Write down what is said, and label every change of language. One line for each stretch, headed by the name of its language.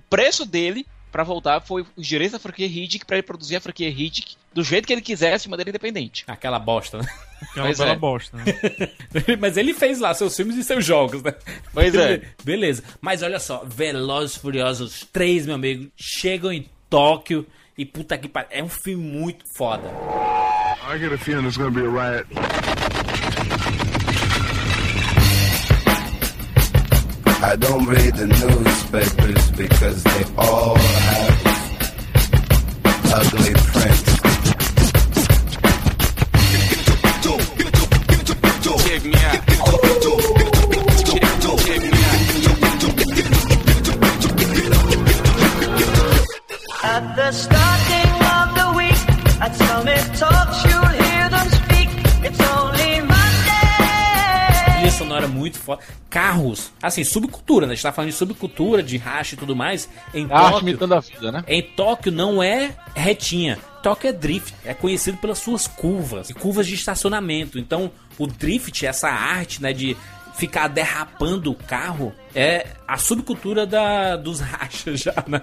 Portuguese: O preço dele pra voltar foi os direitos da franquia Riddick pra ele produzir a franquia Riddick do jeito que ele quisesse, de maneira independente. Aquela bosta, né? Aquela bela bosta, né? Mas ele fez lá seus filmes e seus jogos, né? Pois é. Beleza. Mas olha só, Velozes e Furiosos 3, meu amigo, chegam em Tóquio e puta que pariu, é um filme muito foda.
English: I get a feeling it's gonna be a riot. I don't read the newspapers because they all have ugly print. At the starting of the week, at some talks you'll hear them speak. It's only
Portuguese: sonora muito foda. Carros, assim, subcultura, né? A gente tá falando de subcultura, de racha e tudo mais. Em Tóquio, imitando a vida, né? Em Tóquio não é retinha. Tóquio é drift. É conhecido pelas suas curvas. E curvas de estacionamento. Então, o drift, essa arte, né, de ficar derrapando o carro, é a subcultura dos rachas já, né?